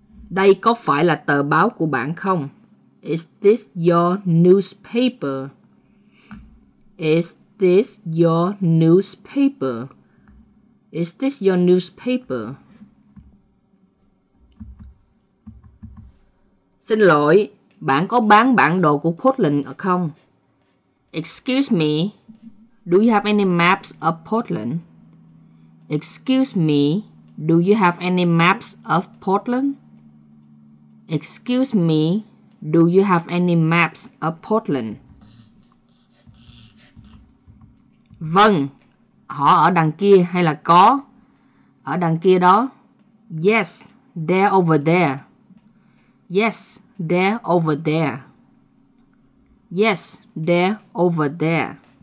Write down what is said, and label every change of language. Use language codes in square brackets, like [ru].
[vi] Đây có phải là tờ báo của bạn không? [en] Is this your newspaper? Is this your newspaper? Is this your newspaper? [vi] Xin lỗi, bạn có bán bản đồ của Portland không? [en] Excuse me, do you have any maps of Portland? Excuse me, do you have any maps of Portland? Excuse me, do you have any maps of Portland? [vi] Vâng, họ ở đằng kia hay là có? Ở đằng kia đó. [en] Yes, they're over there. Yes, they're over there. Yes, they're over there.